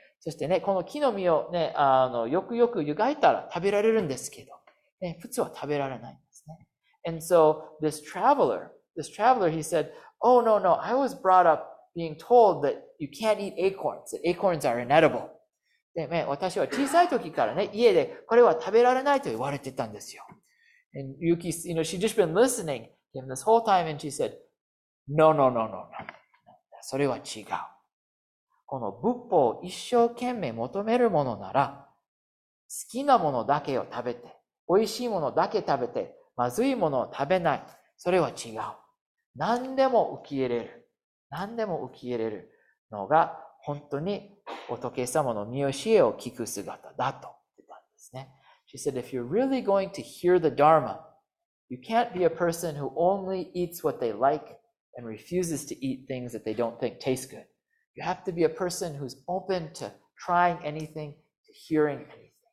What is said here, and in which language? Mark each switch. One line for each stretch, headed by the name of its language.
Japanese: そしてね、この木の実をね、よくよく湯がいたら食べられるんですけど、ね、普通は食べられないんですね。
English: And so this traveler, he said,Oh, no, no, I was brought up being told that you can't eat acorns, that acorns are inedible.
Japanese: で、ね、私は小さい時からね、家でこれは食べられないと言われてたんですよ。
English: And Yuki, you know, she'd just been listening to him this whole time and she said, no, no, no, no, no,
Japanese: それは違う。この仏法を一生懸命求めるものなら、好きなものだけを食べて、美味しいものだけ食べて、まずいものを食べない。それは違う。何でも受け入れる。何でも受け入れるのが本当に仏様の御教えを聞く姿だと言ったんですね。
English: She said, if you're really going to hear the Dharma, you can't be a person who only eats what they like and refuses to eat things that they don't think taste good. You have to be a person who's open to trying anything, to hearing anything.